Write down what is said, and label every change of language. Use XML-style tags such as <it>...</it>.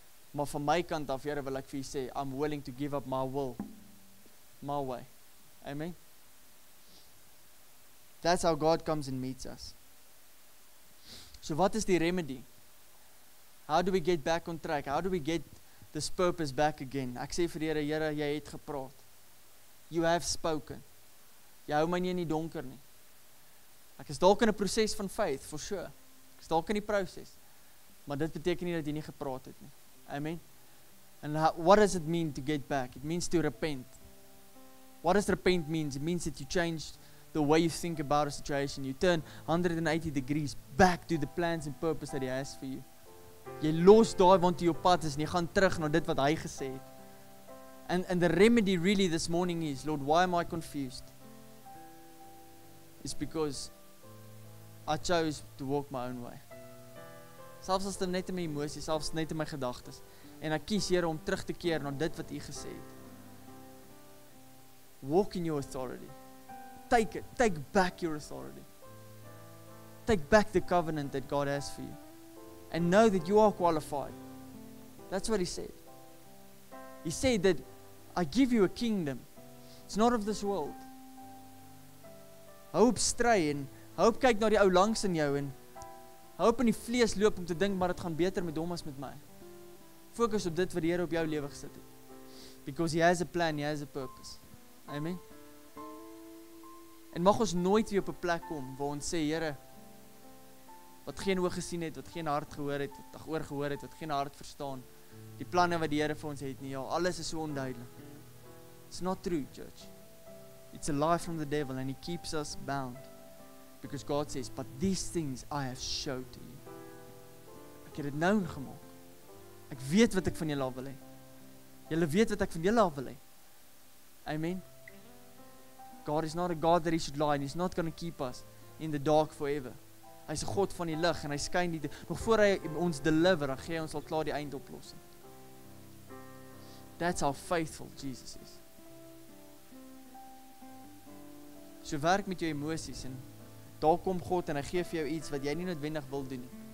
<af>Maar van my kant af, Here, wil ek vir jy sê,</af> <en>I'm willing to give up my will, my way.</en> <af>Amen?</af> <en>That's how God comes and meets us. So, what is die remedy? How do we get back on track? How do we get this purpose back again?</en> <af>Ek sê vir Here, Here, jy het gepraat.</af> <en>You have spoken.</en> <af>Jy hou my nie in die donker nie. Ek is dalk in 'n proses van faith,</af> <en>for sure.</en> <af>Ek is dalk in die proses. Maar dit beteken nie dat jy nie gepraat het nie. Amen.</af> <en>And what does it mean to get back? It means to repent. What does repent mean? It means that you change the way you think about a situation. You turn 180 degrees back to the plans and purpose that He has for you.</en> <af>Jy los daai want jy op pad is en jy gaan terug na dit wat hy gesê het.</af> <en>And the remedy really this morning is, Lord, why am I confused? It's because I chose to walk my own way.</en> <af>Selfs as dit net in my emosies, selfs net in my gedagtes. En ek kies, Here, om terug te keer na dit wat hy gesê het.</af> <en>Walk in your authority. Take it. Take back your authority. Take back the covenant that God has for you. And know that you are qualified. That's what he said. He said that, I give you a kingdom. It's not of this world.</en> <af>Hoop stry en hoop kyk na die ou langs in jou en hoop in die vlees loop om te dink, maar het gaan beter met hom as met my. Focus op dit wat die Here op jou lewe gesit het.</af> <en>Because he has a plan, he has a purpose. Amen.</en> <af>En mag ons nooit weer op 'n plek kom waar ons sê, Here, wat geen oog gesien het, wat geen hart gehoor het, wat oor gehoor het, wat geen hart verstaan, die planne wat die Here vir ons het nie, ja, alles is so onduidelik.</af> <en>It's not true, church. It's a lie from the devil, and he keeps us bound. Because God says, but these things I have showed to you.</en> <af>Ek het dit known gemaak. Ek weet wat ek van julle wil hê. Julle weet wat ek van julle wil hê. Amen.</af> <en>God is not a God that he should lie, and he's not going to keep us in the dark forever.</en> <af>Hy is God van die lig, en hy skyn die, nog voor hy ons deliver, dan gee hy ons al klaar die eindoplossing.</af> <en>That's how faithful Jesus is.</en> <af>So werk met jou emoties, en daar kom God, en hy gee vir jou iets, wat jy nie noodwendig wil doen.</af>